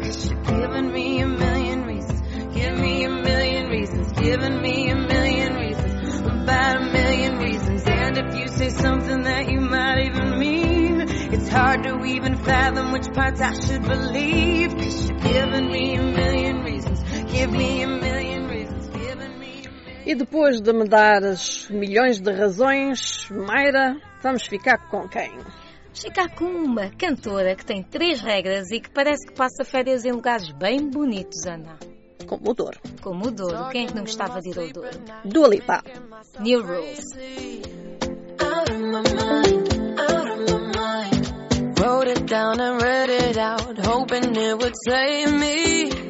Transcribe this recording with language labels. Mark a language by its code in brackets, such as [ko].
[en] Cause you're giving me a million reasons. Give me a million reasons. Giving me a million reasons. About a million reasons. And if you say something that you might even mean, it's hard to even fathom which parts I should believe. Cause you're giving me a million reasons. Give me a million. [pt] E depois de me dar as milhões de razões, Mayra, vamos ficar com quem? Ficar com uma cantora que tem três regras e que parece que passa férias em lugares bem bonitos, Ana. Como o Douro. Como o Douro. Quem é que não gostava de ir ao Douro? Dua Lipa. [en] New Rules. Out of my mind, out of my mind. Wrote it down and read it out, hoping it would save me.